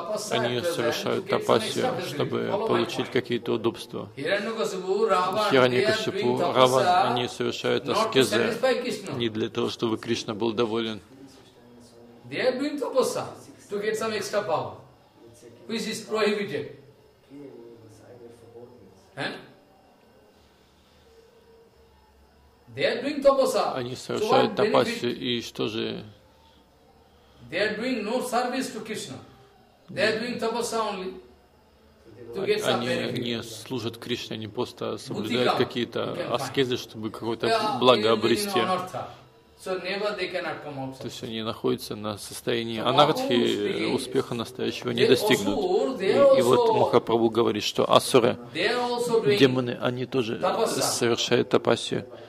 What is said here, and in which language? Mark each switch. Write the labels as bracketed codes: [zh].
[ru] Они совершают тапасию, чтобы получить какие-то удобства. Хираньякашипу, Раван, они совершают аскезы не для того, чтобы Кришна был доволен. [en] They are doing tapasya to get some extra power, which is prohibited. They are doing tapasya. [ru] Они совершают тапасию, и что же? [en] They are doing no service to Krishna. They are doing tapasya only to get some benefit. [ru] Они не служат Кришне, они просто соблюдают какие-то аскезы, чтобы какое-то благо обрести. [en] So never they cannot come outside. [ru] То есть они находятся на состоянии анархии, успеха настоящего не достигнут. И вот Махапрабху говорит, что асуры, демоны, они тоже совершают тапасию.